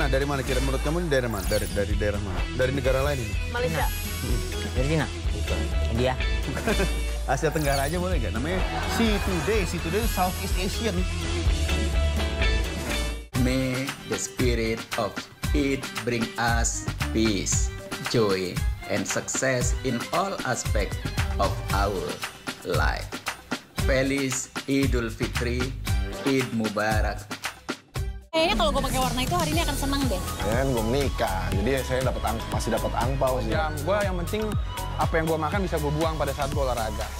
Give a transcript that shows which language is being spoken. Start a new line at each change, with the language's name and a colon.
Indonesian: Dari mana kira menurut kamu ini dari mana? Dari daerah mana? Dari negara lain ini? Malaysia. Dari China. Bukan. India. Asia Tenggara aja boleh gak? Namanya si Today, si Today Southeast Asian.
English: May the spirit of it bring us peace, joy, and success in all aspects of our life. Feliz Idul Fitri, Id Mubarak.
Indonesian: Kayaknya kalau gue pakai warna itu hari ini akan senang deh. Ya kan gue menikah, jadi saya masih dapat angpau sih. Yang gue yang penting apa yang gue makan bisa gue buang pada saat gue olahraga.